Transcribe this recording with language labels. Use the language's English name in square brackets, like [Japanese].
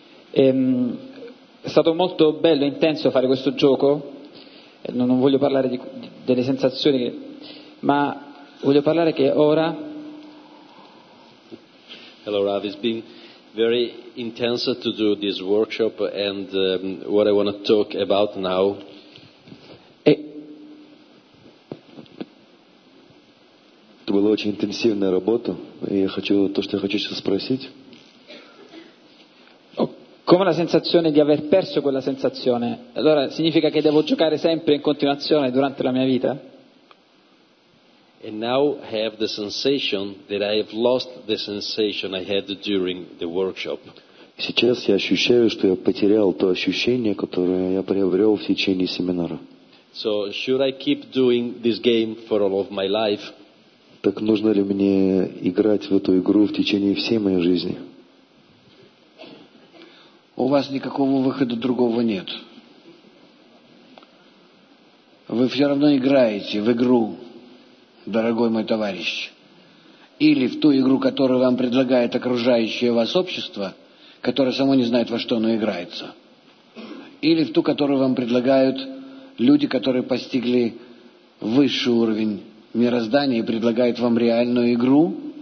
[Italian] È stato molto bello, intenso fare questo gioco. Non voglio parlare delle sensazioni, ma voglio parlare che ora. [English] Hello Rav, it's been very intense to do this workshop, and what I want to talk about now. [Russian] Это была очень интенсивная работа, и я хочу то, что я хочу сейчас спросить. [Italian] Come la sensazione di aver perso quella sensazione? Allora significa che devo giocare sempre in continuazione durante la mia vita? [English] And now I have the sensation that I have lost the sensation I had during the workshop. [Russian] Сейчас я ощущаю, что я потерял то ощущение, которое я приобрел в течение семинара. [English] So should I keep doing this game for all of my life? [Russian] Так нужно ли мне играть в эту игру в течение всей моей жизни? У вас никакого выхода другого нет. Вы все равно играете в игру, дорогой мой товарищ, или в ту игру, которую вам предлагает окружающее вас общество, которое само не знает, во что оно играется, или в ту, которую вам предлагают люди, которые постигли высший уровень мироздания и предлагают вам реальную игру.